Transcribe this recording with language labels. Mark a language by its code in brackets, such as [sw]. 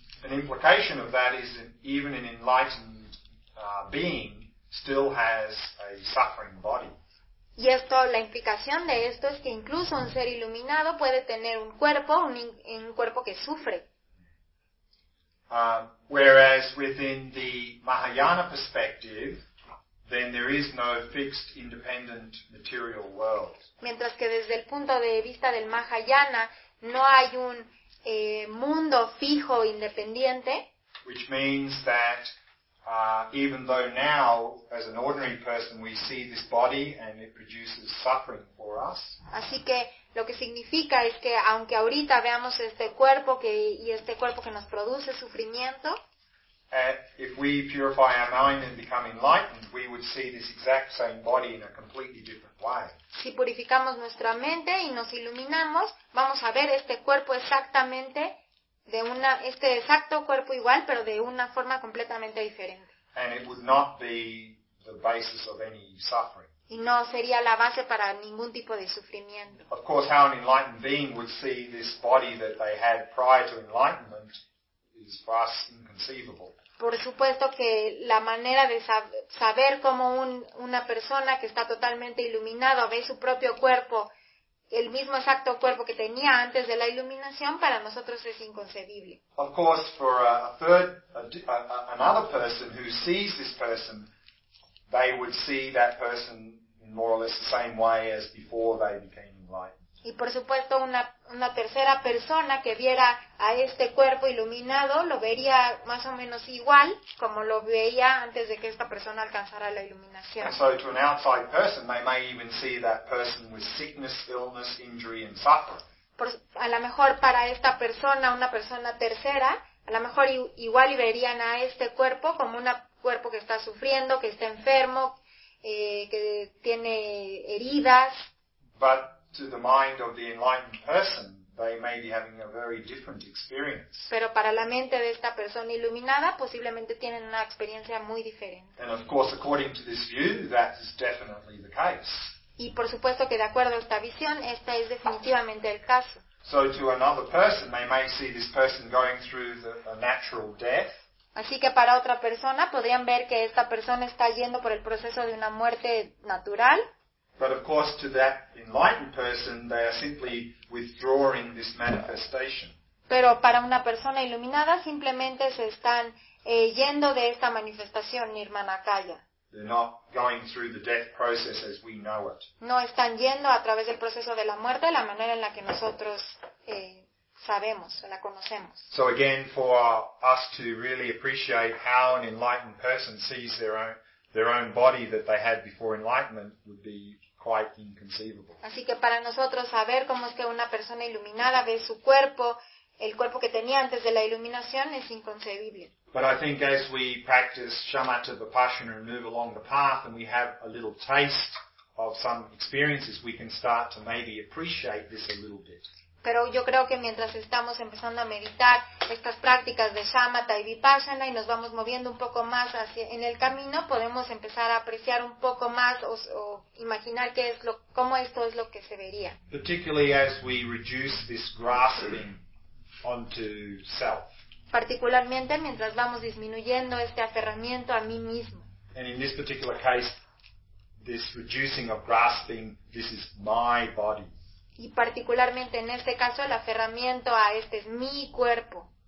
[en] An implication of that is that even an enlightened being still has a suffering body. [es] Y esto, la implicación de esto es que incluso un ser iluminado puede tener un cuerpo, un cuerpo que sufre. [en] Whereas within the Mahayana perspective, then there is no fixed, independent material world. [es] Mientras que desde el punto de vista del Mahayana no hay un mundo fijo, independiente. [en] Which means that even though now, as an ordinary person, we see this body and it produces suffering for us. [es] Así que lo que significa es que aunque ahorita veamos este cuerpo que nos produce sufrimiento, [en] if we purify our mind and become enlightened, we would see this exact same body in a completely different way. [es] Si purificamos nuestra mente y nos iluminamos, vamos a ver este cuerpo exactamente. Este exacto cuerpo igual, pero de una forma completamente diferente. [en] And it would not be the basis of any suffering. [es] Y no sería la base para ningún tipo de sufrimiento. [en] Of course, how an enlightened being would see this body that they had prior to enlightenment is for us inconceivable. [es] Por supuesto que la manera de saber cómo una persona que está totalmente iluminado ve su propio cuerpo, el mismo exacto cuerpo que tenía antes de la iluminación, para nosotros es inconcebible. [en] Of course, for another person who sees this person, they would see that person in more or less the same way as before they became enlightened. [es] Y por supuesto una tercera persona que viera a este cuerpo iluminado lo vería más o menos igual como lo veía antes de que esta persona alcanzara la iluminación. [en] And so to an outside person, they may even see that person with sickness, illness, injury and suffering. [es] A lo mejor para esta persona, una persona tercera, a lo mejor igual verían a este cuerpo como un cuerpo que está sufriendo, que está enfermo, que tiene heridas. [en] But to the mind of the enlightened person, they may be having a very different experience. [es] Pero para la mente de esta persona iluminada, posiblemente tienen una experiencia muy diferente. [en] And of course, according to this view, that is definitely the case. [es] Y por supuesto que de acuerdo a esta visión, esta es definitivamente el caso. [en] So to another person, they may see this person going through a natural death. [es] Así que para otra persona, podrían ver que esta persona está yendo por el proceso de una muerte natural. [en] But of course, to that enlightened person, they are simply withdrawing this manifestation. [es] Pero para una persona iluminada, simplemente se están yendo de esta manifestación nirmanakaya. [en] They're not going through the death process as we know it. [es] No están yendo a través del proceso de la muerte, la manera en la que nosotros sabemos, la conocemos. [en] So again, for us to really appreciate how an enlightened person sees their own body that they had before enlightenment would be quite inconceivable. [es] Así que para nosotros saber cómo es que una persona iluminada ve su cuerpo, el cuerpo que tenía antes de la iluminación, es inconcebible. [en] But I think as we practice shamatha vipassana and move along the path and we have a little taste of some experiences, we can start to maybe appreciate this a little bit. [es] Pero yo creo que mientras estamos empezando a meditar estas prácticas de shamatha y vipassana y nos vamos moviendo un poco más hacia en el camino, podemos empezar a apreciar un poco más o imaginar qué es lo cómo esto es lo que se vería. [en] Particularly as we reduce this grasping onto self. [es] Particularmente mientras vamos disminuyendo este aferramiento a mí mismo. [en] And in this particular case, this reducing of grasping, this is my body. [es] Y particularmente en este caso el aferramiento a este es mi cuerpo.